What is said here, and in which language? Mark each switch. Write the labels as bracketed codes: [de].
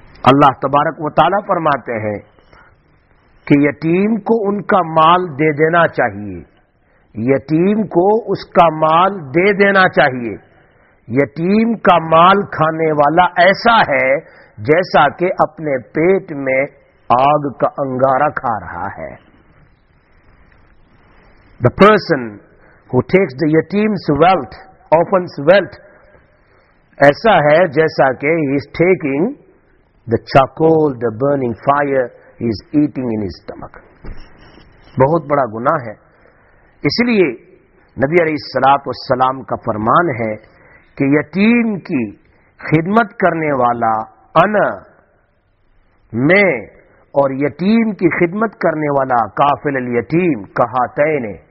[ur] اللہ تبارک و تعالیٰ فرماتے ہیں کہ یتیم کو ان کا مال دے دینا چاہیے، یتیم کو اس کا مال دے دینا چاہیے. یتیم کا مال کھانے والا ایسا ہے جیسا کہ اپنے پیٹ میں آگ کا انگارہ کھا رہا ہے. [en] The person who takes the yatim's wealth, orphan's wealth, [ur] ایسا ہے جیسا کہ [en] he is taking the charcoal, the burning fire, he is eating in his stomach. [ur] بہت بڑا گناہ ہے. اس لیے نبی علیہ الصلوۃ والسلام کا فرمان ہے کہ یتیم کی خدمت کرنے والا انا، میں، اور یتیم کی خدمت کرنے والا کافل الیتیم، کہاتین.